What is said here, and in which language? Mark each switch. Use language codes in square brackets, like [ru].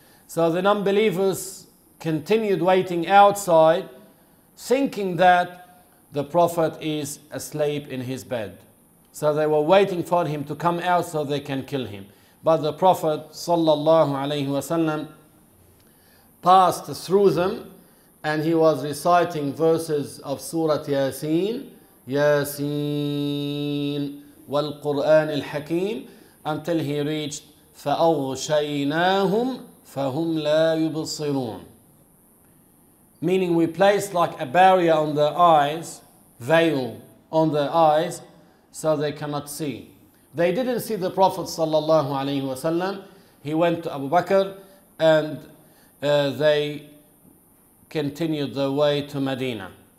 [en] So the non-believers continued waiting outside, thinking that the Prophet is asleep in his bed. So they were waiting for him to come out so they can kill him. But the Prophet sallallahu alaihi wasallam passed through them, and he was reciting verses of Surah Yasin [ar] ياسين والقرآن الحكيم [en] until he reached [ar] فأغشيناهم فهم لا يبصرون. [en] Meaning we placed like a barrier on their eyes, veil on their eyes, so they cannot see. They didn't see the Prophet sallallahu alaihi wasallam. He went to Abu Bakr and they continued their way to Medina.